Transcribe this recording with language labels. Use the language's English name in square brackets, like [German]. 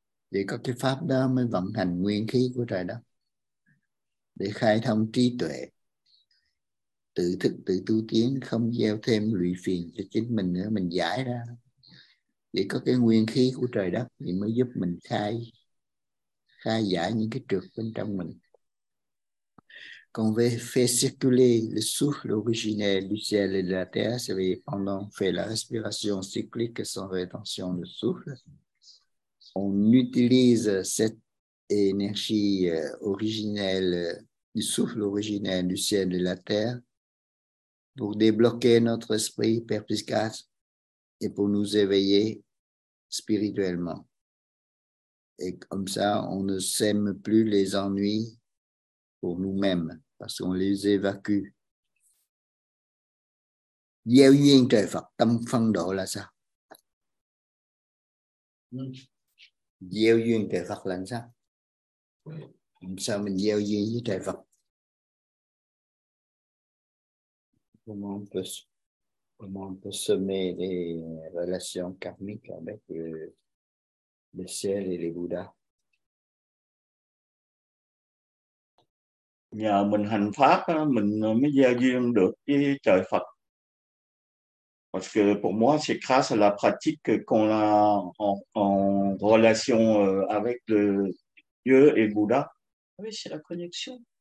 [Vietnamese] Để có cái pháp đó mới vận hành nguyên khí của trời đất. Để khai thông trí tuệ, tự thức tự tu tiến, không gieo thêm lụy phiền cho chính mình nữa, mình giải ra. Để có cái nguyên khí của trời đất thì mới giúp mình khai giải những cái trược bên trong mình. [French] Quand on fait circuler le souffle originel du ciel et de la terre, c'est-à-dire pendant qu'on fait la respiration cyclique sans rétention de souffle, on utilise cette énergie originelle, du souffle originel du ciel et de la terre, pour débloquer notre esprit perspicace et pour nous éveiller spirituellement. Et comme ça, on ne sème plus les ennuis pour nous-mêmes. Parce qu'on les évacue. [Vietnamese] Gieo duyên trời Phật, tâm phân độ là sao? Gieo duyên trời Phật là sao? Làm sao mình gieo duyên với trời Phật? [French] Comment on peut semer les relations karmiques avec le ciel et les Bouddhas? [Vietnamese] Nhờ mình hành pháp mình mới gieo duyên được với trời Phật. [French] Parce que pour moi c'est grâce à la pratique qu'on a en relation avec le Dieu et Bouddha. Oui, c'est la connexion.